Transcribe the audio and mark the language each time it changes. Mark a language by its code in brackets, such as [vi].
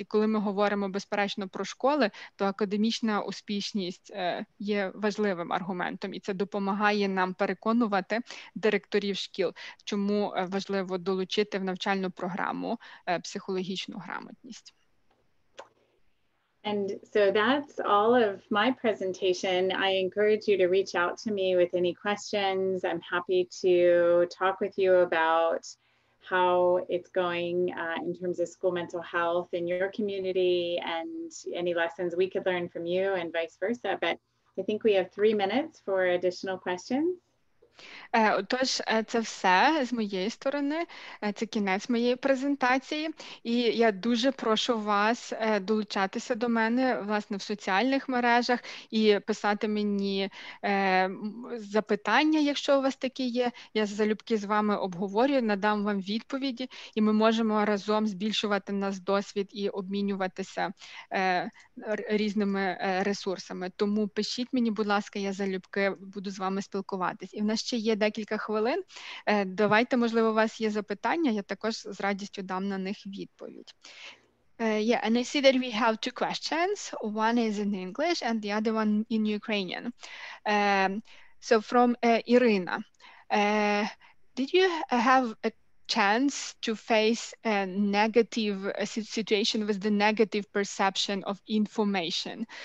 [uk] І коли ми говоримо безперечно про школи, то академічна успішність є важливим аргументом, і це допомагає нам переконувати директорів шкіл, чому важливо долучити в навчальну програму психологічну грамотність. [en] And so that's all of my presentation. I encourage you to reach out to me with any questions. I'm happy to talk with you about how it's going in terms of school mental health in your community and any lessons we could learn from you and vice versa. But I think we have 3 minutes for additional questions. [uk] Отож, це все з моєї сторони. Це кінець моєї презентації. І я дуже прошу вас долучатися до мене, власне, в соціальних мережах і писати мені запитання, якщо у вас такі є. Я залюбки з вами обговорю, надам вам відповіді, і ми можемо разом збільшувати наш досвід і обмінюватися різними ресурсами. Тому пишіть мені, будь ласка, я залюбки буду з вами спілкуватись. І в нас ще є декілька хвилин. Давайте, можливо, у вас є запитання, я також з радістю дам на них відповідь. [en] Yeah, and I see that we have 2 questions. One is in English and the other one in Ukrainian. So from Irina. Did you have a chance to face a negative situation with the negative perception of information.